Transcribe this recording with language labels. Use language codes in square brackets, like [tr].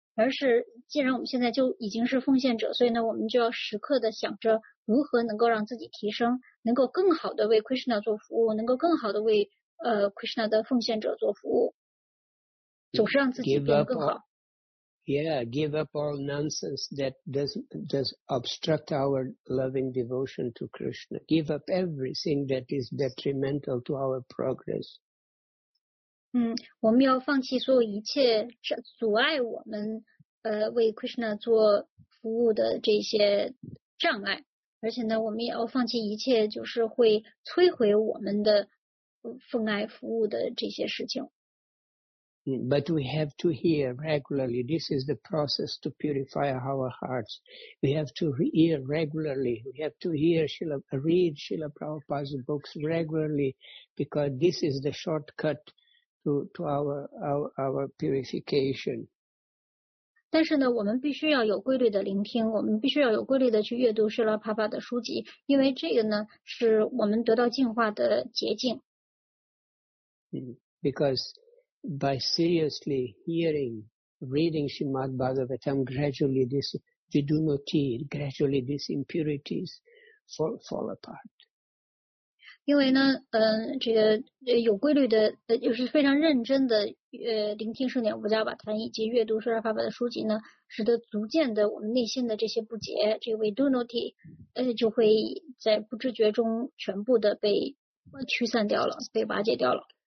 [zh] 而是既然我们现在就已经是奉献者，所以呢，我们就要时刻的想着如何能够让自己提升，能够更好的为 Krishna 做服务，能够更好的为Krishna 的奉献者做服务，总是让自己变得更好。 [en] Yeah, give up all nonsense that does obstruct our loving devotion to Krishna. Give up everything that is detrimental to our progress. [zh] 我们要放弃所有一切阻碍我们为 Krishna 做服务的这些障碍，而且呢，我们也要放弃一切就是会摧毁我们的奉爱服务的这些事情。 [en] But we have to hear regularly. This is the process to purify our hearts. We have to hear regularly. We have to read Srila Prabhupada's books regularly because this is the shortcut to our purification. [zh] 但是呢，我们必须要有规律的聆听，我们必须要有规律的去阅读Srila Prabhupada的书籍，因为这个呢，是我们得到净化的捷径。 Because by seriously hearing, reading Srimad Bhagavatam, gradually this vidumati, gradually these impurities fall apart. 因为呢，这个有规律的，就是非常认真的，聆听圣典无价法坛以及阅读释迦牟尼佛的书籍呢，使得逐渐的我们内心的这些不洁，这个 vidumati， 就会在不知觉中全部的被驱散掉了，被瓦解掉了。